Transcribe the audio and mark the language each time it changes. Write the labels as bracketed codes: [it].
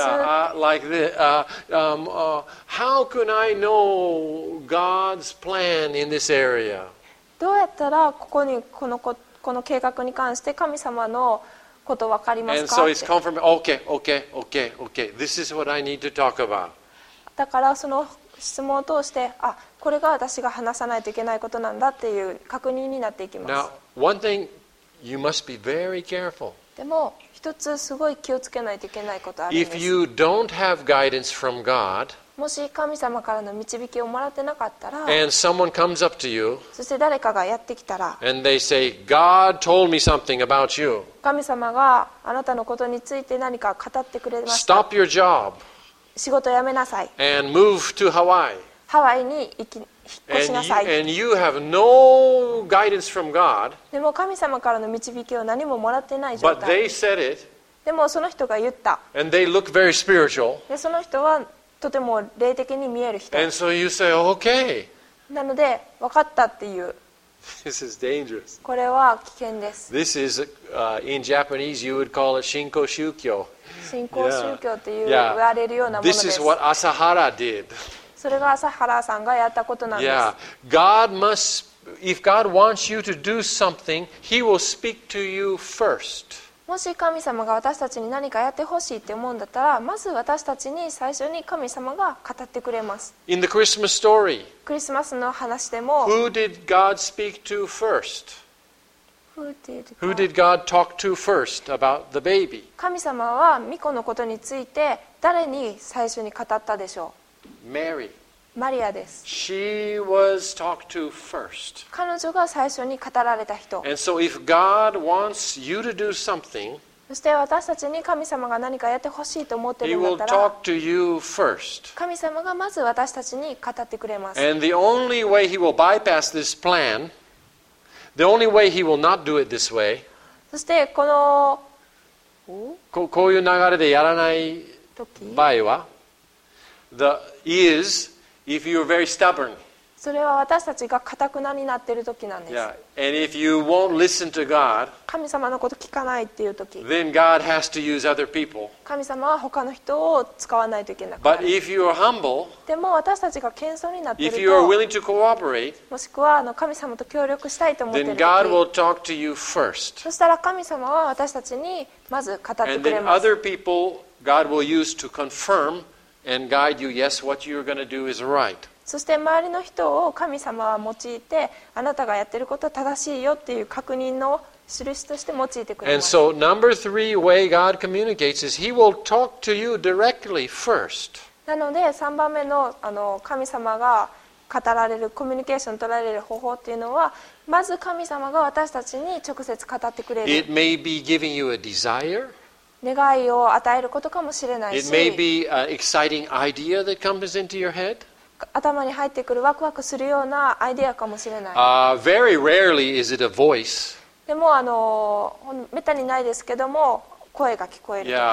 [en] Like the, how can I know God's plan in this area? [ja] どうやったらここにこの計画に関して神様のことわかりますか？ [en] And so it's confirmed. Okay, okay, okay, okay. This is what I need to talk about. [ja] だからその質問を通して、あ、これが私が話さないといけないことなんだっていう確認になっていきます。 [en] Now, one thing, you must be very careful. [ja] でも、一つすごい気をつけないといけないことあるんです。 [en] If you don't have guidance from God, [ja] もし神様からの導きをもらってなかったら、 [en] and someone comes up to you, [ja] そして誰かがやってきたら、 [en] and they say, God told me something about you. [ja] 神様があなたのことについて何か語ってくれました。 [en] Stop your job. [ja] 仕事を辞めなさい。 [en] And move to Hawaii. [ja] ハワイに引っ越しなさい。 [en] And you have no guidance from God. [ja] でも神様からの導きを何ももらってない状態。 [en] But they said it. [ja] でもその人が言った。 [en] And they look very spiritual. [ja] でその人はとても霊的に見える人。 [en] And so you say, okay. [ja] なので分かったっていう。 [en] This is dangerous. [ja] これは危険です。 [en] This is, in Japanese, you would call it Shinko Shukyo. [ja] 信仰宗教と言われるようなものです。 [en] This is what Asahara did. [ja] それが朝原さんがやったことなんです。 [en] Yeah. God must, if God wants you to do something, He will speak to you first. [ja] もし神様が私たちに何かやってほしいって思うんだったら、まず私たちに最初に神様が語ってくれます。 [en] In the Christmas story, [ja] クリスマスの話でも、 [en] Who did God speak to first? Who did God talk to first about the baby? [ja] 神様は巫女のことについて誰に最初に語ったでしょう? [en] Mary. [ja] マリアです。 [en] She was talked to first. [ja] 彼女が最初に語られた人。 [en] And so if God wants you to do something, [ja] そして私たちに神様が何かやってほしいと思っているんだったら、 [en] He will talk to you first. [ja] 神様がまず私たちに語ってくれます。 [en] And the only way He will bypass this plan,The only way he will not do it this way, [ja] そしてこのこういう流れでやらない場合は、 [en] the is if you are very stubborn. [ja] それは私たちが固くなになっている時なんです。 [en] Yeah. And if you won't listen to God, [ja] 神様のこと聞かないっていう時、 [en] then God has to use other people. [ja] 神様は他の人を使わないといけなくなる。 [en] But if you are humble, [ja] でも私たちが謙遜になっていると、 [en] if you are willing to cooperate, [ja] もしくは神様と協力したいと思っている時、 [en] then God will talk to you first. [ja] そしたら神様は私たちにまず語ってくれます。 [en] And then other people God will use to confirm and guide you. Yes, what you're going to do is right. [ja] そして周りの人を神様は用いて、あなたがやってることは正しいよっていう確認の印として用いてくれます。 [en] And so number three way God communicates is He will talk to you directly first. [ja] なので3番目 の神様が語られるコミュニケーションを取られる方法っていうのは、まず神様が私たちに直接語ってくれる。 [en] It may be giving you a desire. [ja] 願いを与えることかもしれないし。 [en] It may be an exciting idea that comes into your head. [ja] 頭に入ってくるワクワクするようなアイデアかもしれない。 [en] Very rarely is it a voice. [ja] でもめったにないですけども声が聞こえるとか。